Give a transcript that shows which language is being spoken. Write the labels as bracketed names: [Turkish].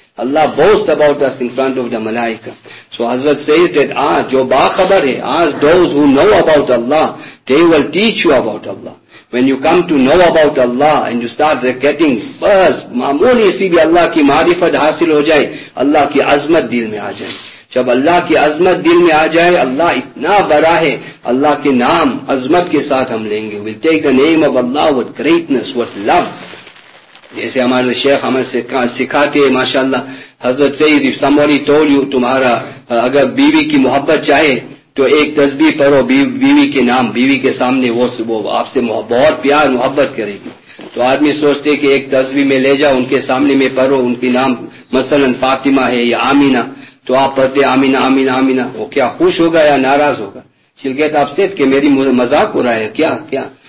[English] Allah boasts about us in front of the ملائکہ. So Hazrat says that [Urdu] آج جو باخبر ہے, [English] آج those who know about Allah, they will teach you about Allah. When you come to know about Allah and you start getting first, [Urdu] معمولی سی بھی اللہ کی معرفت حاصل ہو جائے, اللہ کی عظمت دل میں آ جائے. جب اللہ کی عظمت دل میں آ جائے, اللہ اتنا بڑا ہے, اللہ کے نام عظمت کے ساتھ ہم لیں گے. [English] We'll take the name of Allah with greatness, with love. [Urdu] جیسے ہمارے شیخ ہمیں سکھاتے ہیں ماشاء اللہ, حضرت سید [English] if somebody told you [Urdu] تمہارا اگر بیوی کی محبت چاہے تو ایک تسبیح پڑھو بیوی کے نام, بیوی کے سامنے وہ آپ سے بہت پیار محبت کرے گی. تو آدمی سوچتے کہ ایک تسبیح میں لے جاؤ ان کے سامنے میں پڑھو ان کے نام, مثلا فاطمہ ہے یا آمینہ, تو آپ پڑھتے آمینہ آمینہ آمینہ, وہ کیا خوش ہوگا یا ناراض ہوگا؟ [English] She'll get upset [Urdu] کہ میری مذاق ہو رہا ہے کیا.